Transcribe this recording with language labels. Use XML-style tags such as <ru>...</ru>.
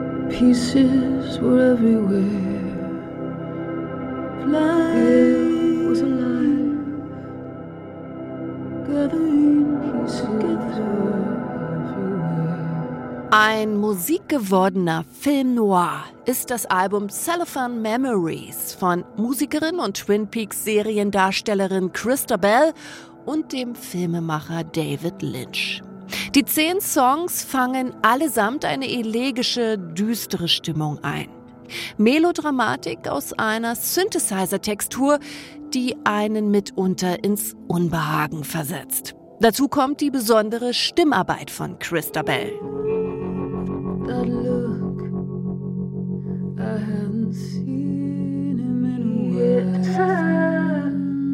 <en>Pieces were everywhere. Flying was alive. Gathering pieces together.</en> <de>Ein musikgewordener Film noir ist das Album Cellophane Memories von Musikerin und Twin Peaks Seriendarstellerin Christa Bell und dem Filmemacher David Lynch. Die 10 Songs fangen allesamt eine elegische, düstere Stimmung ein. Melodramatik aus einer Synthesizer-Textur, die einen mitunter ins Unbehagen versetzt. Dazu kommt die besondere Stimmarbeit von Christa Bell.</de> <en>That look I hadn't seen him in a while.</en>